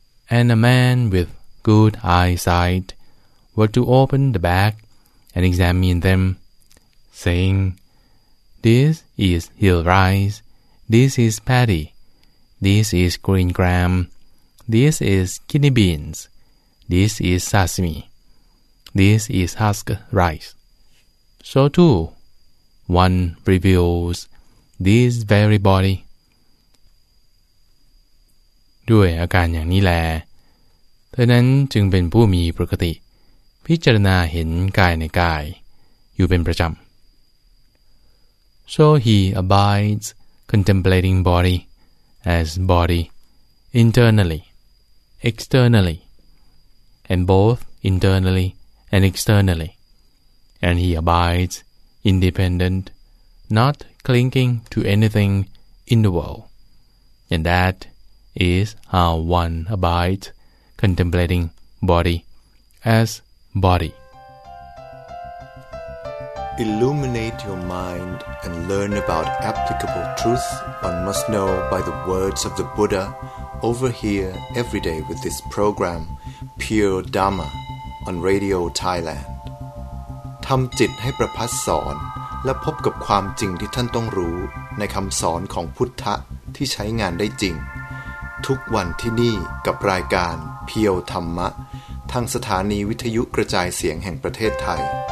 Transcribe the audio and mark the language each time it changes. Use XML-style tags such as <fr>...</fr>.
<en>and a man with good eyesight were to open the bag and examine them, saying, "This is hill rice, this is paddy, this is green gram, this is kidney beans, this is sesame, this is husk rice." So too, one reveals this very body.</en> <th>ด้วยอาการอย่างนี้แลดังนั้นจึงเป็นผู้มีปกติ พิจารณาเห็นกายในกายอยู่เป็นประจำ</th> <en>So he abides contemplating body as body internally, externally, and both internally and externally, and he abides independent, not clinging to anything in the world, and that is how one abides contemplating body as body. Illuminate your mind and learn about applicable truth one must know by the words of the Buddha over here every day with this program Pure Dharma on Radio Thailand.</en> <th>ทำจิตให้ประพัสสอนและพบกับความจริงที่ท่านต้องรู้ในคำสอนของพุทธะที่ใช้งานได้จริงทุกวันที่นี่กับรายการเพียวธรรมะทางสถานีวิทยุกระจายเสียงแห่งประเทศไทย</th>